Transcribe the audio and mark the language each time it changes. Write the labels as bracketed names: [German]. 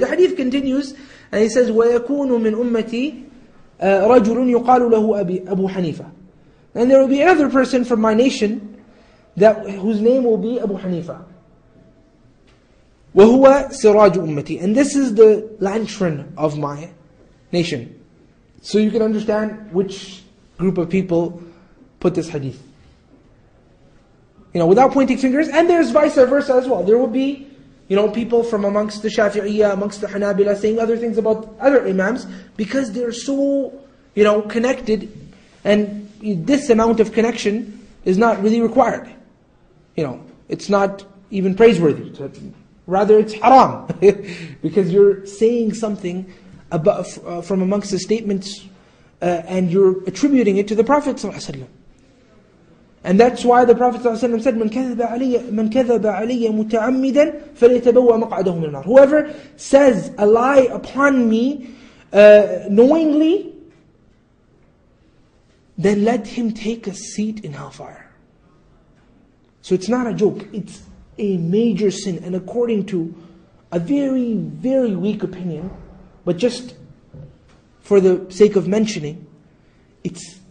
[English] The hadith continues, and he says, [Arabic] وَيَكُونُ مِنْ أُمَّتِي رَجُلٌ يُقَالُ لَهُ أَبُو حَنِيفَةٌ. [English] And there will be another person from my nation that whose name will be Abu Hanifa. [Arabic] وَهُوَ سِرَاجُ أُمَّتِي. [English] And this is the lantern of my nation. So you can understand which group of people put this hadith. You know, without pointing fingers, and there's vice versa as well. There will be, you know, people from amongst the Shafi'iyya, amongst the Hanabila, saying other things about other imams, because they're so, you know, connected, and this amount of connection is not really required. You know, it's not even praiseworthy. Rather, it's haram. Because you're saying something about, from amongst the statements, and you're attributing it to the Prophet ﷺ. And that's why the Prophet ﷺ said, [Arabic] "من كذب علي متعمدا فليتبوأ مقعده من النار." [English] Whoever says a lie upon me knowingly, then let him take a seat in hellfire. So it's not a joke; it's a major sin. And according to a very, very weak opinion, but just for the sake of mentioning, it's.